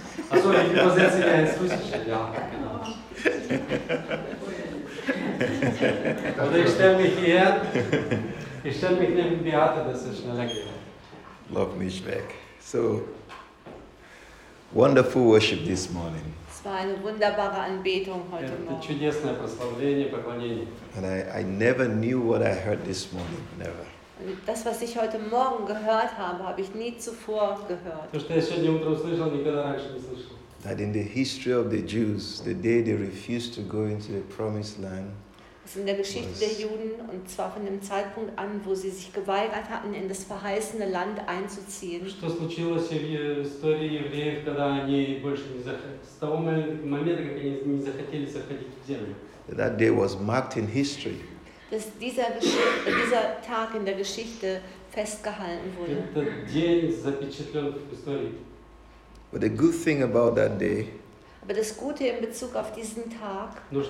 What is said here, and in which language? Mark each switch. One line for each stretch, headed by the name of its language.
German: Achso, ich übersetze dir jetzt Russisch. Ja, genau. Oder ich stelle mich hier. Ich stelle mich neben Beate, dass es schneller geht. Lauf nicht weg. So.
English: Wonderful worship this morning.
German: Es war eine wunderbare Anbetung heute Morgen.
Russian: Это чудесное прославление, поклонение.
English: And I never knew what I heard this morning, never.
German: Und das, was ich heute Morgen gehört habe, habe ich nie zuvor gehört.
Russian: То, что я сегодня утром слышал, никогда раньше не слышал.
English: That in the history of the Jews, the day they refused to go into the promised land.
German: Also in der Geschichte der Juden, und zwar von dem Zeitpunkt an, wo sie sich geweigert hatten, in das verheißene Land einzuziehen.
Russian: Что случилось в истории евреев, когда они больше не захотели, с того момента, как они не захотели заходить в землю?
English: That day was marked in history.
German: Dass dieser Tag in der Geschichte festgehalten wurde.
Russian: Этот день запечатлен в истории.
English: But the good thing about that day.
German: Aber das Gute in Bezug auf diesen Tag